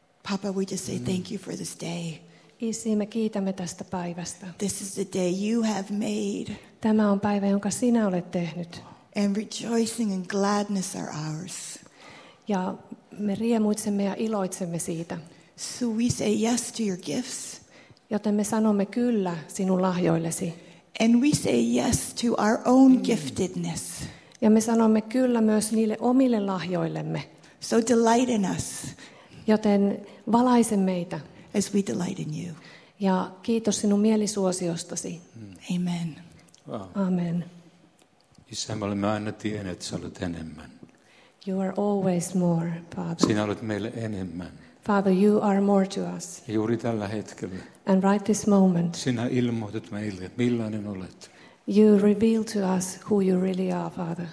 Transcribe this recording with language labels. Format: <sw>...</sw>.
<en>Papa, we just say thank you for this day.</en> <fi>Isi, me kiitämme tästä päivästä.</fi> <en>This is the day you have made.</en> <fi>Tämä on päivä, jonka sinä olet tehnyt.</fi> <en>And rejoicing and gladness are ours.</en> <fi>Ja me riemuitsemme ja iloitsemme siitä.</fi> <en>So we say yes to your gifts.</en> <fi>Joten me sanomme kyllä sinun lahjoillesi.</fi> <en>And we say yes to our own giftedness.</en> <fi>Ja me sanomme kyllä myös niille omille lahjoillemme.</fi> <en>So delight in us.</en> <fi>Joten valaise meitä.</fi> <en>As we delight in you.</en> <fi>Ja kiitos sinun mielisuosiostasi.</fi> <en>Amen. Wow. Amen.</en> <fi>Isä, me olemme aina tienneet, että sinä olet enemmän.</fi> <en>You are always more, Father.</en> <fi>Sinä olet meille enemmän.</fi> <en>Father, you are more to us.</en> <fi>Ja juuri tällä hetkellä.</fi> <en>And right this moment.</en> <fi>Sinä ilmoitat meille, millainen olet.</fi> <en>You reveal to us who you really are, Father.</en>